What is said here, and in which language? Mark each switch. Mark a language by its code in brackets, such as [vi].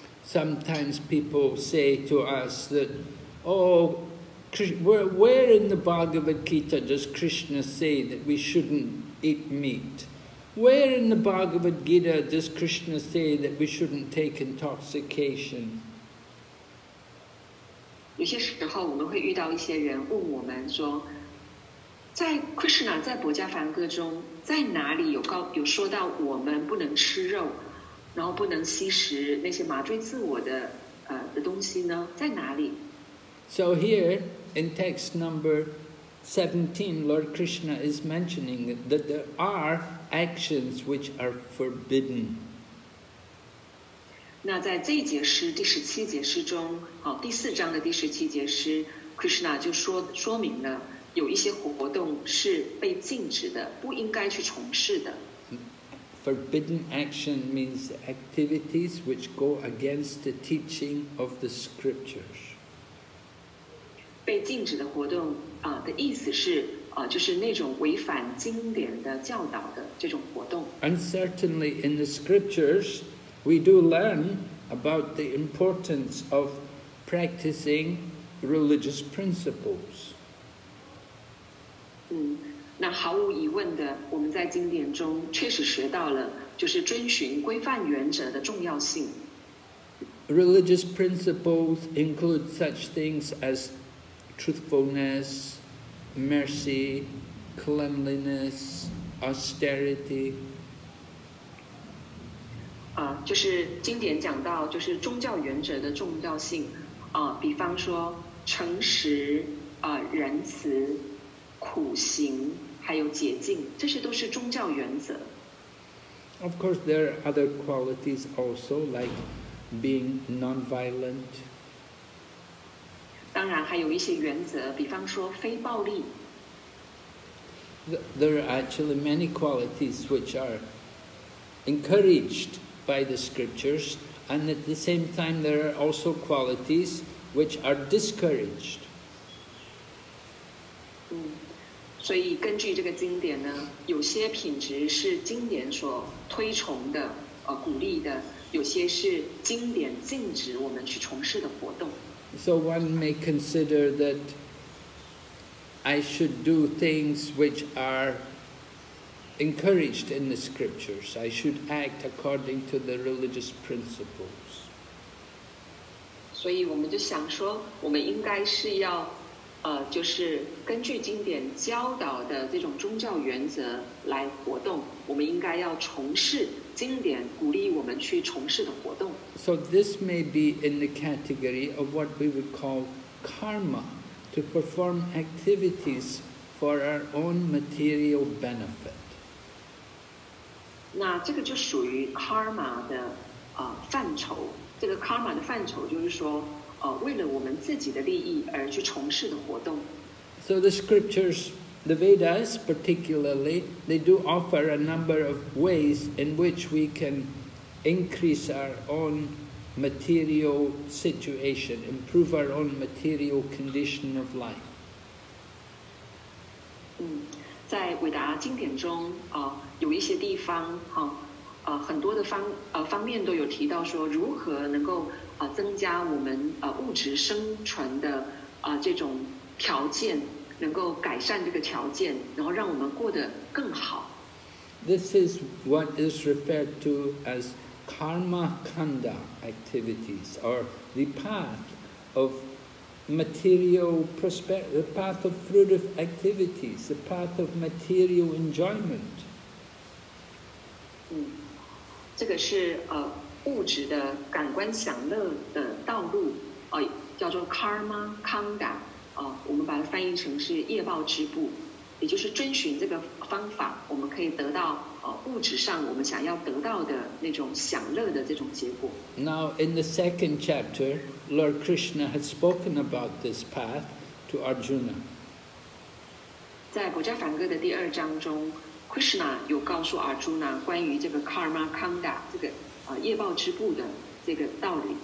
[en] Sometimes people say to us that, oh, where in the Bhagavad Gita does Krishna say that we shouldn't eat meat? Where in the Bhagavad Gita does Krishna say that we shouldn't take intoxication? [zh] 有些时候我们会遇到一些人问我们说, 在Krishna在博迦梵歌中, 在哪里有说到我们不能吃肉, 然后不能吸食那些麻醉自我的东西呢? 在哪里? [en] So here, in text number 17, Lord Krishna is mentioning that there are actions which are forbidden. [zh] 那在这一节诗,第十七节诗中,第四章的第十七节诗, Krishna 就说明了, 有一些活动是被禁止的，不应该去从事的。 [en] Forbidden action means activities which go against the teaching of the scriptures. [zh] 被禁止的活动啊的意思是啊，就是那种违反经典的教导的这种活动。 [en] And certainly in the scriptures, we do learn about the importance of practicing religious principles. [zh] 那毫无疑问的，我们在经典中确实学到了，就是遵循规范原则的重要性。 [en] Religious principles include such things as truthfulness, mercy, cleanliness, austerity. [zh] 就是经典讲到就是宗教原则的重要性，比方说诚实，仁慈，苦行。还有解禁，这些都是宗教原则。 [en] Of course, there are other qualities also, like being non-violent. [zh] 当然还有一些原则，比方说非暴力。 [en] There are actually many qualities which are encouraged by the scriptures, and at the same time, there are also qualities which are discouraged. [zh] 所以根据这个经典呢，有些品质是经典所推崇的，鼓励的，有些是经典禁止我们去从事的活动。 [en] So one may consider that I should do things which are encouraged in the scriptures. I should act according to the religious principles. [zh] 所以我们就想说，我们应该是要就是根据经典教导的这种宗教原则来活动，我们应该要从事经典鼓励我们去从事的活动。 [en] So this may be in the category of what we would call karma, to perform activities for our own material benefit. [zh] 那这个就属于 karma 的范畴，这个 karma 的范畴就是说为了我们自己的利益而去从事的活动。 [en] So the scriptures, the Vedas particularly, they do offer a number of ways in which we can increase our own material situation, improve our own material condition of life. [zh] 在韦达经典中有一些地方很多的方面都有提到说如何能够增加我们物质生存的这种条件，能够改善这个条件，然后让我们过得更好。 [en] This is what is referred to as karma kanda activities, or the path of material prosperity, the path of fruitive activities, the path of material enjoyment. [zh] 这个是物质的感官享乐的道路，叫做 karma kanda， 我们把它翻译成是业报之部，也就是遵循这个方法，我们可以得到物质上我们想要得到的那种享乐的这种结果。 [en] Now in the second chapter, Lord Krishna has spoken about this path to Arjuna. [zh] 在《薄伽梵歌》的第二章中 ，Krishna 有告诉 Arjuna 关于这个 karma kanda 这个。业报之部的这个道理。